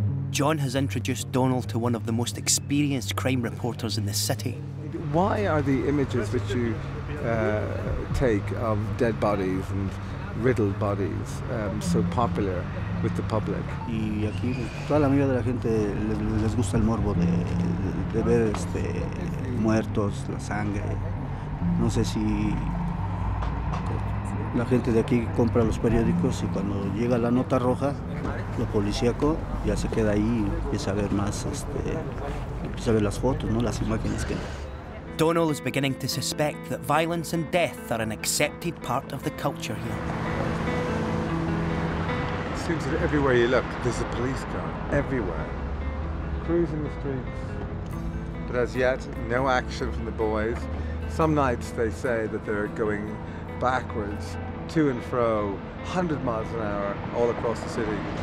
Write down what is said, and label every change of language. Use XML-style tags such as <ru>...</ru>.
<en>John has introduced Donald to one of the most experienced crime reporters in the city. Why are the images which you take of dead bodies and riddled bodies so popular with the public?</en> <es>Y aquí toda la mayoría de la gente les gusta el morbo de ver muertos, la sangre. No sé si La gente de aquí compra los periódicos y cuando llega la nota roja, lo policíaco ya se queda ahí y empieza a ver más, empieza a ver las fotos, ¿no? Las imágenes que...</es> <en>Donal is beginning to suspect that violence and death are an accepted part of the culture here. It seems that everywhere you look, there's a police car. Everywhere. Cruising the streets. But as yet, no action from the boys. Some nights they say that they're going backwards, to and fro, 100 miles an hour all across the city.</en>